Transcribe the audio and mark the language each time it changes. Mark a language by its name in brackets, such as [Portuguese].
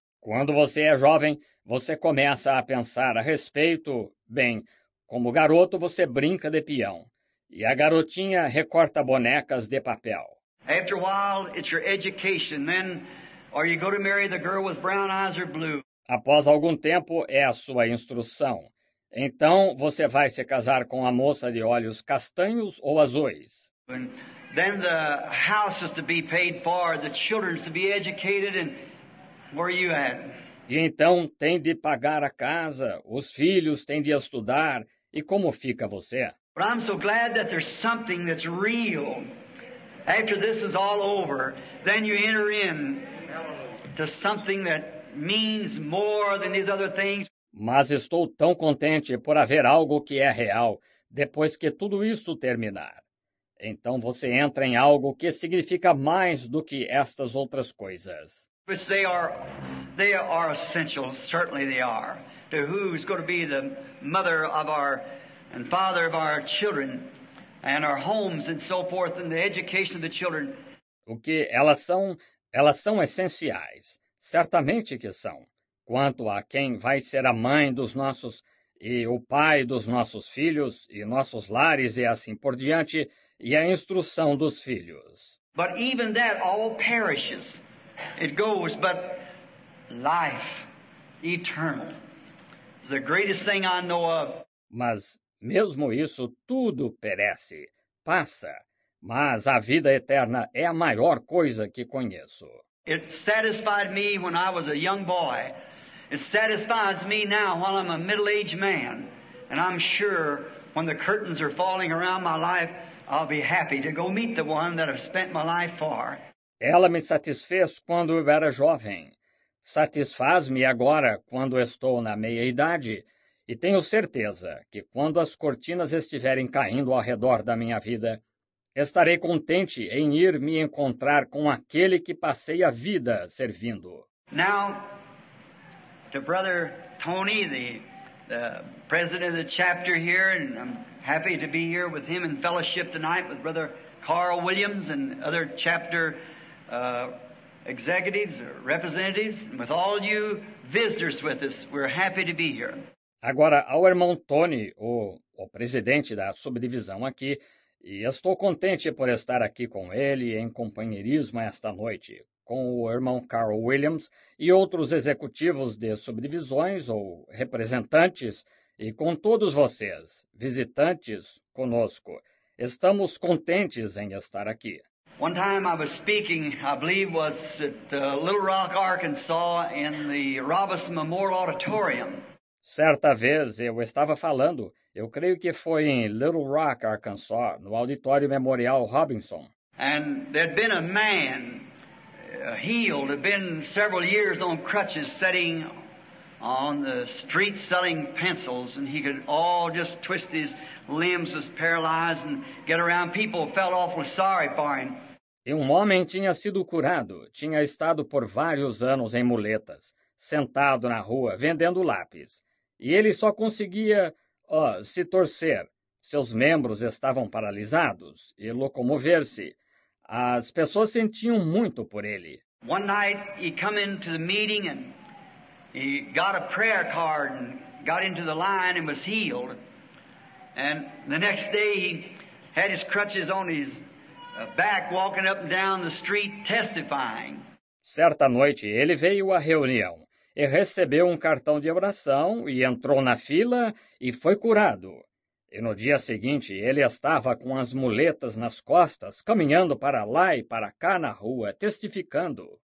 [Portuguese] Quando você é jovem, você começa a pensar a respeito, como garoto você brinca de peão. E a garotinha recorta bonecas de papel. [English] After a while, it's your education. Then, are you going to marry the girl with brown eyes or blue? [Portuguese] Após algum tempo, é a sua instrução. Então, você vai se casar com a moça de olhos castanhos ou azuis. [English] And then the house is to be paid for, the children is to be educated, and where are you at? [Portuguese] E então, tem de pagar a casa, os filhos têm de estudar, e como fica você? [English] But I'm so glad that there's something that's real. After this is all over, then you enter in to something that means more than these other things. [Portuguese] Mas estou tão contente por haver algo que é real depois que tudo isso terminar. Então você entra em algo que significa mais do que estas outras coisas. [English] Which they are essential, certainly they are, to who's going to be the mother of our and father of our children, and our homes, and so forth, and the education of the children. [Portuguese] O que elas são essenciais, certamente que são, quanto a quem vai ser a mãe dos nossos e o pai dos nossos filhos e nossos lares e assim por diante, e a instrução dos filhos. [English] But even that all perishes. It goes, but life eternal is the greatest thing I know of. [Portuguese] Mas mesmo isso tudo perece, passa, mas a vida eterna é a maior coisa que conheço. [English] It satisfied me when I was a young boy. It satisfies me now while I'm a middle-aged man. And I'm sure when the curtains are falling around my life, I'll be happy to go meet the one that I've spent my life for. [Portuguese] Ela me satisfez quando eu era jovem. Satisfaz-me agora quando estou na meia-idade. E tenho certeza que quando as cortinas estiverem caindo ao redor da minha vida, estarei contente em ir me encontrar com aquele que passei a vida servindo. [English] Now, to Brother Tony, the president of the chapter here, and I'm happy to be here with him in fellowship tonight with Brother Carl Williams and other chapter executives or representatives, and with all you visitors with us, we're happy to be here. [Portuguese] Agora, ao irmão Tony, o presidente da subdivisão aqui, e estou contente por estar aqui com ele em companheirismo esta noite, com o irmão Carl Williams e outros executivos de subdivisões ou representantes, e com todos vocês, visitantes, conosco. Estamos contentes em estar aqui. [English] One time I was speaking, I believe was at Little Rock, Arkansas, in the Robison Memorial Auditorium. [Portuguese] Certa vez eu estava falando, eu creio que foi em Little Rock, Arkansas, no Auditório Memorial Robinson. [English] And there'd been a man healed, had been several years on crutches, sitting on the street selling pencils, and he could all just twist his limbs, was paralyzed, and get around. People felt awful sorry for him. [Portuguese] E um homem tinha sido curado, tinha estado por vários anos em muletas, sentado na rua, vendendo lápis. E ele só conseguia se torcer. Seus membros estavam paralisados e locomover-se. As pessoas sentiam muito por ele. [English] One night he came into the meeting and he got a prayer card and got into the line and was healed. And the next day he had his crutches on his back walking up and down the street testifying. [Portuguese] Certa noite ele veio à reunião. E recebeu um cartão de oração e entrou na fila e foi curado. E no dia seguinte, ele estava com as muletas nas costas, caminhando para lá e para cá na rua, testificando.